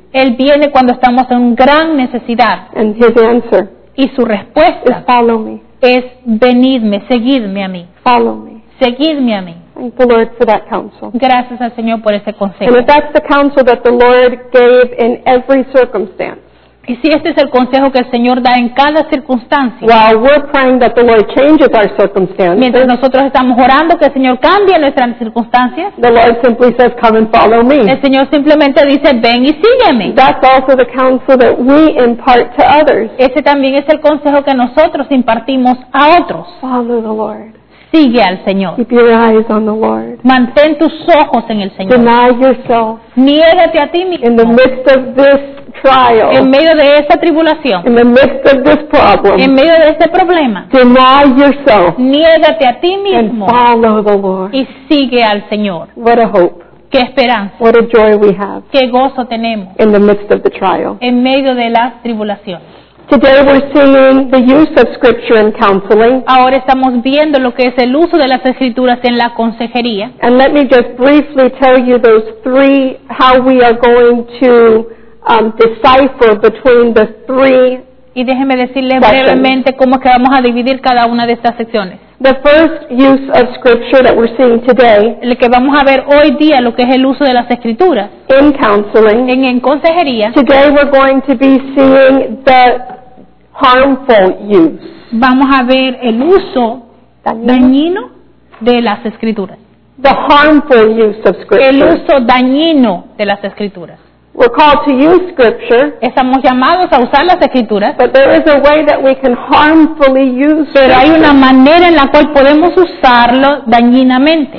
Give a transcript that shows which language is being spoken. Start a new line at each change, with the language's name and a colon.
Spanish: Él viene cuando estamos en gran necesidad.
English: And His answer.
Spanish: Y su respuesta
English: is follow me.
Spanish: Es venidme, seguidme a mí.
English: Follow me.
Spanish: Seguidme a mí.
English: Thank the Lord for that counsel.
Spanish: Gracias al Señor por ese consejo.
English: And if that's the counsel that the Lord gave in every circumstance.
Spanish: Y si este es el consejo que el Señor da en cada circunstancia.
English: While we're praying that the Lord changes our circumstances.
Spanish: Mientras nosotros estamos orando que el Señor cambie nuestras circunstancias.
English: The Lord simply says, come and follow me.
Spanish: El Señor simplemente dice, ven y sígueme.
English: That's also the counsel that we impart to others.
Spanish: Ese también es el consejo que nosotros impartimos a otros.
English: Follow the Lord.
Spanish: Sigue al Señor.
English: Keep your eyes on the Lord.
Spanish: Mantén tus ojos en el Señor.
English: Deny yourself.
Spanish: Niégate a ti mismo.
English: In the midst of this trial.
Spanish: En medio de esta tribulación.
English: In the midst of this problem.
Spanish: En medio de este problema.
English: Deny yourself.
Spanish: Niégate a ti mismo.
English: And follow the Lord.
Spanish: Y sigue al Señor.
English: What a hope.
Spanish: Qué esperanza.
English: What a joy we have.
Spanish: Qué gozo tenemos.
English: In the midst of the trial.
Spanish: En medio de la tribulación.
English: Today we're seeing the use of scripture in counseling.
Spanish: Ahora estamos viendo lo que es el uso de las escrituras en la consejería.
English: And let me just briefly tell you those three, how we are going to decipher between the three.
Spanish: Y déjeme decirle brevemente cómo es que vamos a dividir cada una de estas secciones.
English: The first use of scripture that we're seeing today.
Spanish: El que vamos a ver hoy día lo que es el uso de las escrituras.
English: In counseling.
Spanish: En consejería.
English: Today we're going to be seeing the harmful use.
Spanish: Vamos a ver el uso dañino de las escrituras.
English: The harmful use of scripture.
Spanish: El uso dañino de las escrituras.
English: We're called to use scripture.
Spanish: Estamos llamados a usar las escrituras.
English: But there is a way that we can harmfully use.
Spanish: Pero hay una manera en la cual podemos usarlo dañinamente.